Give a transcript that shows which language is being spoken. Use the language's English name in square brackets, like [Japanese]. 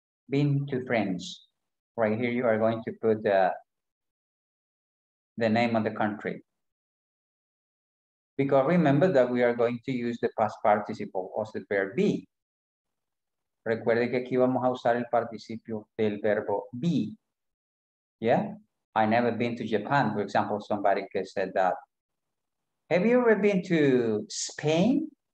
[English] Been to France. Right here you are going to put the name of the country. Because remember that we are going to use the past participle of the verb be. [Spanish] Recuerde que aquí vamos a usar el participio del verbo be. [English] Yeah? I never been to Japan, for example, somebody could say that. Have you ever been to Spain?